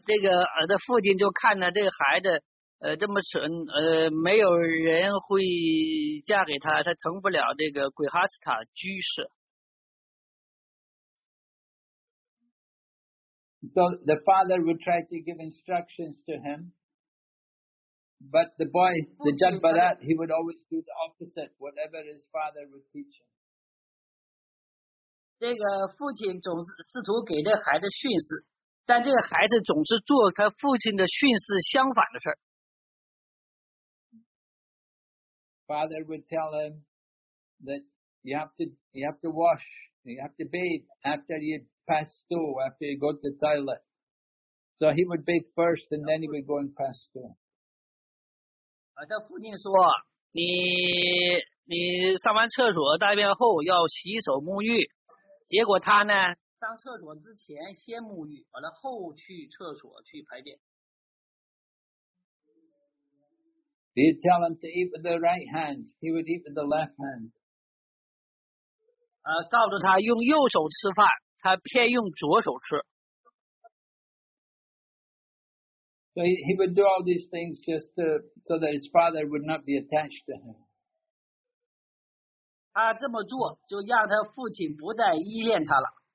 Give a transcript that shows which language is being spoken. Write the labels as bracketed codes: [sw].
[zh] 这个父亲就看了这个孩子，这么蠢，没有人会嫁给他，他成不了这个grihastha居士。 [en] So the father would try to give instructions to him. But the boy, the Jad Bharat, he would always do the opposite, whatever his father would teach him. [zh] 这个父亲总是试图给这孩子训示，但这个孩子总是做他父亲的训示相反的事。 [en] Father would tell him that you have to wash, you have to bathe after you pass through, after you go to the toilet. So he would bathe first and then he would go and pass through. [zh] 他父亲说你上完厕所大便后要洗手沐浴，结果他呢上厕所之前先沐浴，完了后去厕所去排便。 [en] They tell him to eat with the right hand. He would eat with the left hand. [zh] 告诉他用右手吃饭，他偏用左手吃。 [en] So he would do all these things just to, so that his father would not be attached to him. [zh] 他这么做就让他父亲不再依恋他了。